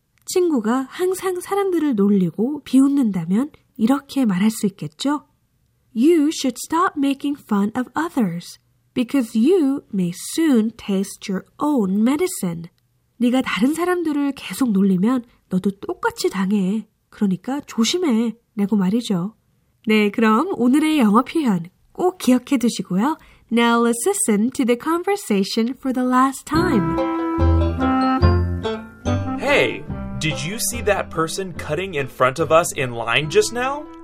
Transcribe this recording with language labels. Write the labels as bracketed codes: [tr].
[ko] 친구가 항상 사람들을 놀리고 비웃는다면 이렇게 말할 수 있겠죠? [en] You should stop making fun of others because you may soon taste your own medicine. [ko] 네가 다른 사람들을 계속 놀리면 너도 똑같이 당해. 그러니까 조심해. 라고 말이죠. 네, 그럼 오늘의 영어 표현 꼭 기억해 두시고요. [en] Now let's listen to the conversation for the last time. Hey, did you see that person cutting in front of us in line just now?